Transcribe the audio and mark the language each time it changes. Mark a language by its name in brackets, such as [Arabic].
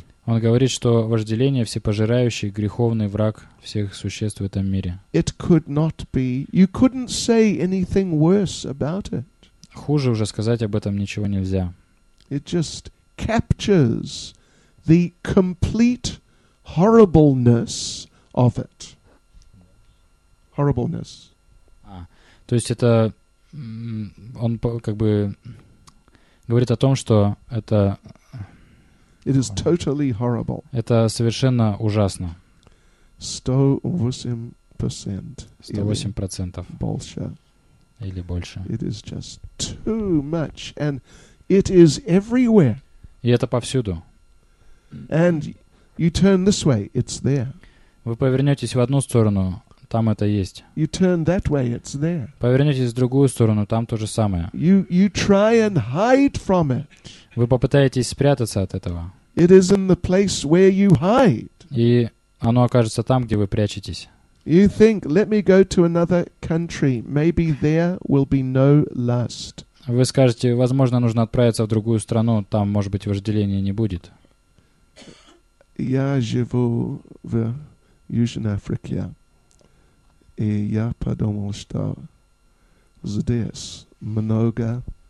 [Russian] Он говорит, что вожделение — всепожирающий, греховный враг всех существ в этом мире. [English] It could not be. You couldn't say anything worse about it. [Russian] Хуже уже сказать об этом ничего нельзя. [English] It just captures the complete horribleness of it. Horribleness. [Russian] То есть это он как бы говорит о том, что это [English] It is totally horrible. [Russian] Это совершенно ужасно. [English] 108%. [Russian] 108% больше. Или больше. [English] It is just too much, and it is everywhere. [Russian] И это повсюду. [English] And you turn this way, it's there. [Russian] Вы повернетесь в одну сторону, там это есть. [English] You turn that way, it's there. [Russian] Повернетесь в другую сторону, там то же самое. [English] You try and hide from it. [Russian] Вы попытаетесь спрятаться от этого. [English] It is in the place where you hide. [Russian] И оно окажется там, где вы прячетесь. [English] You think, let me go to another country. Maybe there will be no lust. [Russian] Вы скажете, возможно, нужно отправиться в другую страну, там, может быть, вожделения не будет. Я живу в Южной Африке. И я подумал, что здесь много...